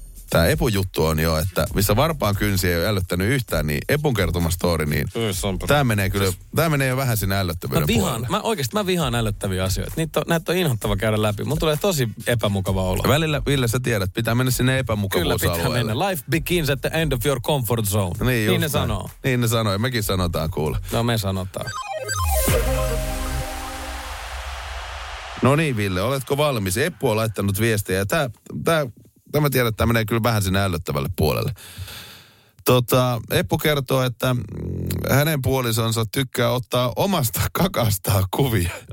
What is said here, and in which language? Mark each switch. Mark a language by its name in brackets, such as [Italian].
[Finnish] Tämä Epu-juttu on jo, että missä varpaan kynsiä ei ole ällöttänyt yhtään, niin Epun kertoma story, niin tämä menee kyllä, tämä menee jo vähän sinne ällöttävyyden puolelle. Mä vihaan ällöttäviä asioita. Näitä on inhottava käydä läpi. Mun tulee tosi epämukava olla. Välillä, Ville, sä tiedät, pitää mennä sinne epämukavuusalueelle. Kyllä pitää mennä. [English] Life begins at the end of your comfort zone. [Finnish] Niin ne sanoo. Niin ne sanoo, ja mekin sanotaan kuule. No me sanotaan. No niin, Ville, oletko valmis? Epu on laittanut viestiä, ja tämä tiedän, että tämä menee kyllä vähän sinne ällöttävälle puolelle. Eppu kertoo, että hänen puolisonsa tykkää ottaa omasta kakastaan kuvia.